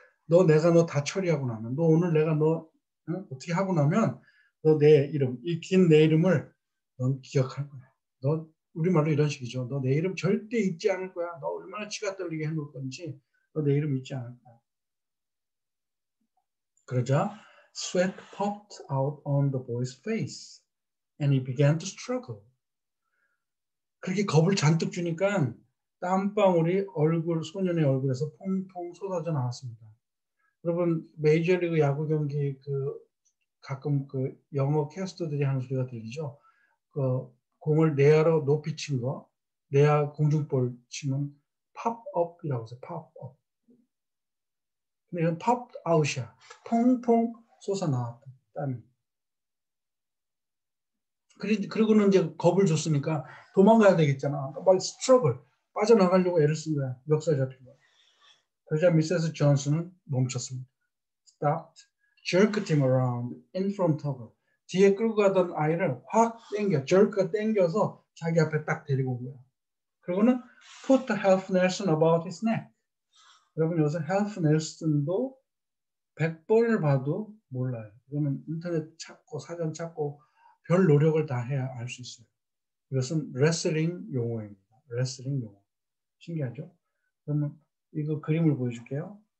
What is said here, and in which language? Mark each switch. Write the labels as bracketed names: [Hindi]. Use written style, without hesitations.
[Korean] 너 내가 너다 처리하고 나면, 너 오늘 내가 너 어떻게 하고 나면, 너내 이름, 이긴내 이름을 넌 기억할 거야. 너, 우리말로 이런 식이죠. 너내 이름 절대 잊지 않을 거야. 너 얼마나 치가 떨리게 해놓을 건지, 너내 이름 잊지 않을 거야. 그러자 [English] sweat popped out on the boy's face and he began to struggle. [Korean] 그렇게 겁을 잔뜩 주니까 땀방울이 얼굴, 소년의 얼굴에서 퐁퐁 쏟아져 나왔습니다. 여러분, 메이저리그 야구 경기 그 가끔 그 영어 캐스터들이 하는 소리가 들리죠? 그 공을 내야로 높이 친 거, 내야 공중볼 치는 팝업이라고 해서 팝업. 근데 이건 팝 아웃이야. 퐁퐁 솟아 나왔다, 땀이. 그리고는 이제 겁을 줬으니까 도망가야 되겠잖아. 빨리 스트러글, 빠져나가려고 애를 쓴 거야. 역사에 잡힌 거야. 그러자 미세스 존슨은 멈췄습니다. [English] Stopped, jerked him around in front of her. [Korean] 뒤에 끌고 가던 아이를 확 땡겨, 절크 땡겨서 자기 앞에 딱 데리고 온 거야. 그리고는 [English] put the half Nelson about his neck. [Korean] 여러분 여기서 half Nelson도 100번을 봐도 몰라요. 이거는 인터넷 찾고 사전 찾고 별 노력을 다 해야 알 수 있어요. 이것은 레슬링 용어입니다. 레슬링 용어. 신기하죠? 그러면 이거 그림을 보여줄게요.